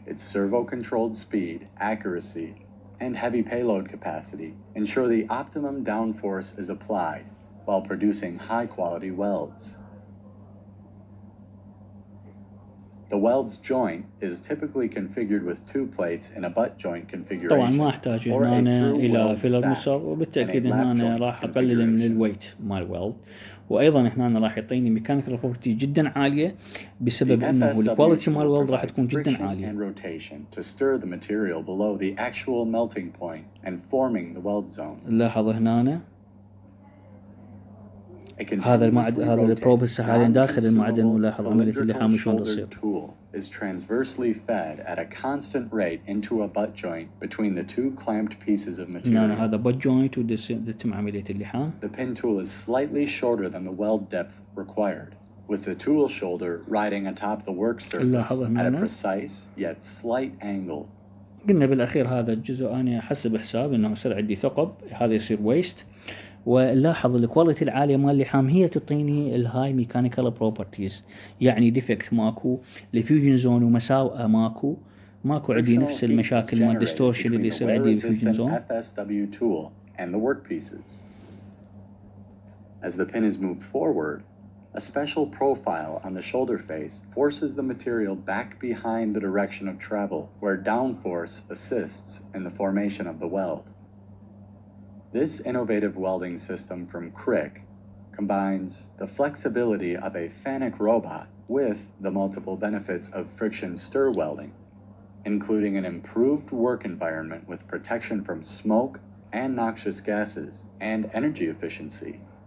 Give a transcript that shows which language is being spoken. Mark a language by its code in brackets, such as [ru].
[en] Its servo-controlled speed, accuracy, and heavy payload capacity ensure the optimum downforce is applied while producing high quality welds. The welds joint is typically configured with two plates in a butt joint configuration. [ar] طبعا ما احتاج هنا الى فيلر مساق وبالتاكيد هنا راح اقلل من الويت مال ويلد وايضا هنا راح يعطيني [en] mechanical property [ar] جدا عاليه بسبب انه الكواليتي مال ويلد راح تكون جدا عاليه. [en] And rotation to stir the material below the actual melting point and forming the weld zone. [ar] لاحظ هنا هذا المعدن هذا البروب هسه حاليا داخل المعدن ولاحظ عمليه اللحام شلون تصير. [en] Is transversely fed at a constant rate into a butt joint between the two clamped pieces of material. [ar] No, هذا butt joint وتتم عملية اللحام. [en] The pin tool is slightly shorter than the weld depth required, with the tool shoulder riding atop the work surface at a precise yet slight angle. [ar] قلنا بالأخير هذا الجزء أنا حسب حساب إنه صار عندي ثقب هذا يصير waste. ولاحظ الكواليتي العاليه مال اللحام هي تعطيني [en] الهاي mechanical properties [ar] يعني ديفكت ماكو ليفيوجن زون ومساوئه ماكو عندي نفس المشاكل مال ديستورشن اللي يصير عندي بالفيوجن زون. [en] FSW tool and the work pieces. As the pin is moved forward, a special profile on the shoulder face forces the material back behind the direction of travel where downforce assists in the formation of the weld. This innovative welding system from Crick combines the flexibility of a FANUC robot with the multiple benefits of friction stir welding, including an improved work environment with protection from smoke and noxious gases and energy efficiency.